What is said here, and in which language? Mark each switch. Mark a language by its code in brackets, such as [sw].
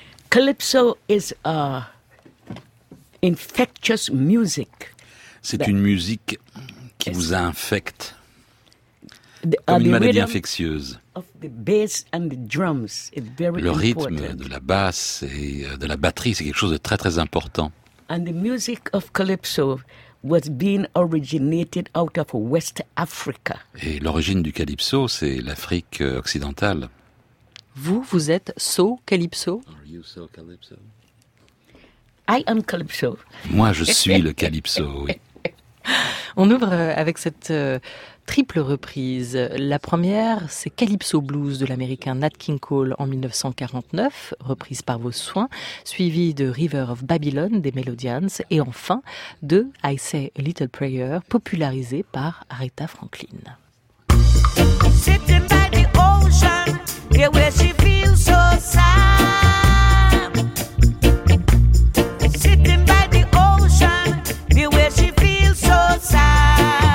[en] Calypso is a infectious music. [fr] C'est une musique qui vous infecte, comme une maladie infectieuse. Le rythme de la basse et de la batterie, c'est quelque chose de très très important. [en] And the music of calypso was being originated out of West Africa. [fr] Et l'origine du calypso, c'est l'Afrique occidentale. Vous, vous êtes [en] so calypso? Are you so calypso? I am calypso. [fr] Moi, je suis le calypso, oui. On ouvre avec cette triple reprise. La première, c'est Calypso Blues de l'américain Nat King Cole en 1949, reprise par Vos Soins, suivie de River of Babylon des Melodians et enfin de I Say a Little Prayer, popularisée par Aretha Franklin. [en] Sitting by the ocean, here where she feels so sad. Sitting by the ocean, here where she feels so sad.